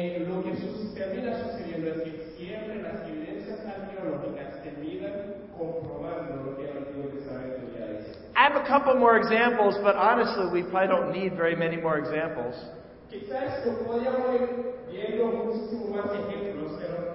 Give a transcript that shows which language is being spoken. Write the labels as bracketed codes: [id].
[es] Lo que termina sucediendo es que siempre las evidencias arqueológicas terminan comprobando lo que el Antiguo Testamento ya dice. [en] I have a couple more examples, but honestly, we probably don't need very many more examples. [es] Quizás podríamos ir viendo muchísimos más ejemplos, pero.